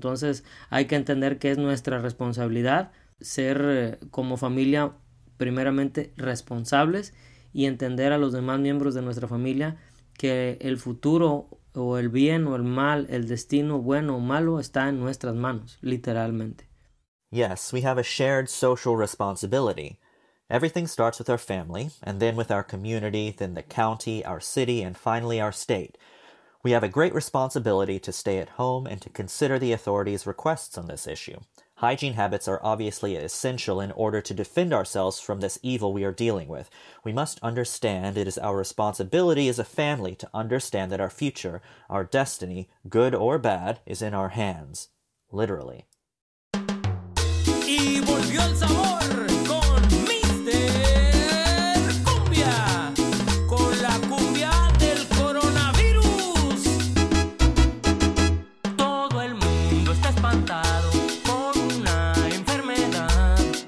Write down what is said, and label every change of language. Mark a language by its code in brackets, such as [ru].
[es] Entonces, hay que entender que es nuestra responsabilidad ser como familia primeramente responsables y entender a los demás miembros de nuestra familia que el futuro o el bien o el mal, el destino bueno o malo, está en nuestras manos, literalmente. [en] Yes, we have a shared social responsibility. Everything starts with our family, and then with our community, then the county, our city, and finally our state. We have a great responsibility to stay at home and to consider the authorities' requests on this issue. Hygiene habits are obviously essential in order to defend ourselves from this evil we are dealing with. We must understand it is our responsibility as a family to understand that our future, our destiny, good or bad, is in our hands. Literally. [es] Y volvió el sabor con Mister Cumbia, con la cumbia del coronavirus. Todo el mundo está espantado por una enfermedad.